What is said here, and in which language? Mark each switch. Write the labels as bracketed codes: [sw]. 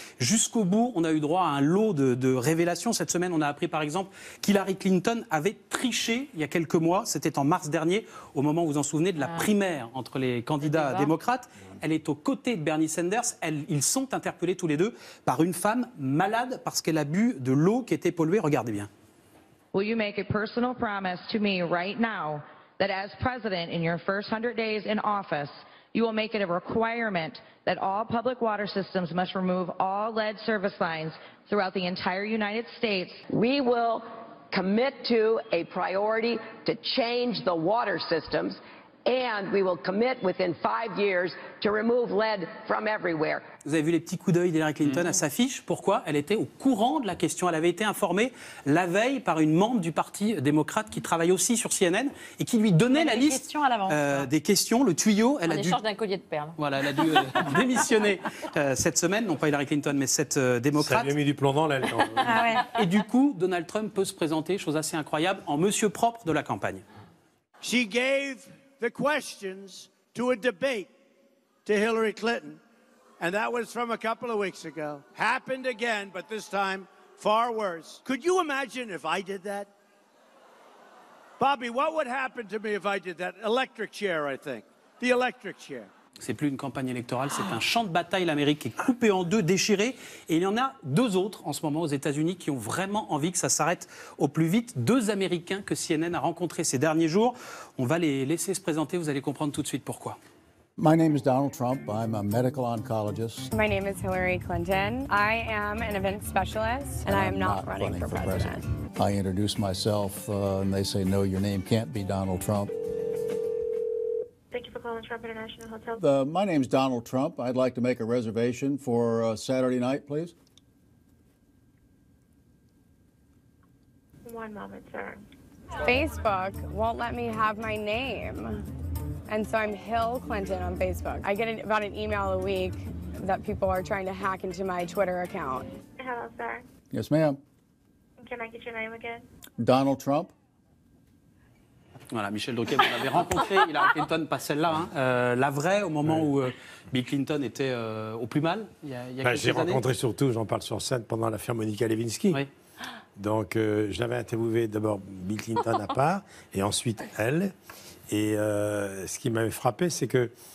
[fr] Jusqu'au bout, on a eu droit à un lot de révélations. Cette semaine, on a appris par exemple qu'Hillary Clinton avait triché il y a quelques mois. C'était en mars dernier, au moment, vous vous en souvenez, de la primaire entre les candidats démocrates. Elle est aux côtés de Bernie Sanders. Ils sont interpellés tous les deux par une femme malade parce qu'elle a bu de l'eau qui était polluée. Regardez bien. [en] Will you make a personal promise to me right now that as president in your first 100 days in office, you will make it a requirement that all public water systems must remove all lead service lines throughout the entire United States? We will commit to a priority to change the water systems, and we will commit within 5 years to remove lead from everywhere. [fr] Vous avez vu les petits coups d'œil d'Hillary Clinton à sa fiche. Pourquoi ? Elle était au courant de la question. Elle avait été informée la veille par une membre du Parti démocrate qui travaille aussi sur CNN et qui lui donnait la liste questions à l'avance, des questions, le tuyau. Elle en a échange d'un collier de perles. Voilà, elle a dû démissionner cette semaine, non pas Hillary Clinton, mais cette démocrate. Ça lui a mis du plomb dans l'aile. Et du coup, Donald Trump peut se présenter, chose assez incroyable, en monsieur propre de la campagne. [en] She gave the questions to a debate to Hillary Clinton. And that was from a couple of weeks ago. Happened again, but this time far worse. Could you imagine if I did that? Bobby, what would happen to me if I did that? Electric chair, I think. The electric chair. [fr] C'est plus une campagne électorale, c'est un champ de bataille. L'Amérique est coupée en deux, déchirée. Et il y en a deux autres en ce moment aux États-Unis qui ont vraiment envie que ça s'arrête au plus vite. Deux Américains que CNN a rencontrés ces derniers jours. On va les laisser se présenter, vous allez comprendre tout de suite pourquoi. [en] My name is Donald Trump. I'm a medical oncologist. My name is Hillary Clinton. I am an event specialist, and I am not running for president. I introduce myself, and they say, no, your name can't be Donald Trump. Thank you for calling Trump International Hotel. My name is Donald Trump. I'd like to make a reservation for Saturday night, please. One moment, sir. Facebook won't let me have my name. And so I'm Hill Clinton on Facebook. I get about an email a week that people are trying to hack into my Twitter account. Hello, sir. Yes, ma'am. Can I get your name again? Donald Trump. [fr] Voilà, Michel Drucker, vous l'avez rencontré, Hillary Clinton, pas celle-là, hein. La vraie, au moment où Bill Clinton était au plus mal, il y a quelques années. J'ai rencontré surtout, j'en parle sur scène, pendant l'affaire Monica Lewinsky. Oui. Donc, je l'avais interviewé d'abord Bill Clinton à part, et ensuite elle. Et ce qui m'avait frappé, c'est que